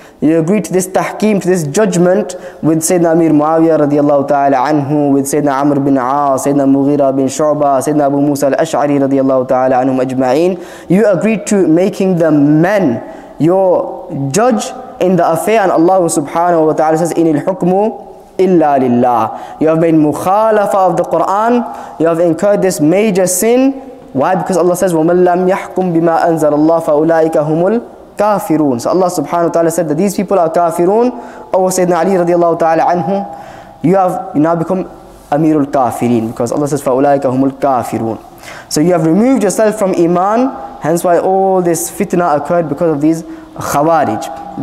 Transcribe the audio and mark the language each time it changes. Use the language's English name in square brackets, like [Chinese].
[English] You agree to this tahkim, to this judgment with Sayyidina Amir Muawiyah radiallahu ta'ala anhu, with Sayyidina Amr bin Aas, Sayyidina Mughira bin Shu'ba, Sayyidina Abu Musa al-Ash'ari radiallahu ta'ala anhum ajma'in. You agreed to making the men your judge in the affair, and Allah subhanahu wa ta'ala says, [Arabic] إِنِ الْحُكْمُ إِلَّا لِلَّهِ. [English] You have made mukhalafa of the Quran, you have incurred this major sin. Why? Because Allah says, [Arabic] وَمَنْ لَمْ يَحْكُمْ بِمَا أَنزَلَ اللَّهُ فَأُولَٰئِكَ هُمُ كافرون. [English] So Allah subhanahu wa ta'ala said that these people are kafirun. Oh, Sayyidina Ali radiallahu ta'ala anhu, you now become Amirul Kafirin, because Allah says, [Arabic] فَأُولَٰئِكَ هُمُ الْكَافِرُونَ. [English] So you have removed yourself from iman, hence why all this fitna occurred because of these khawarij.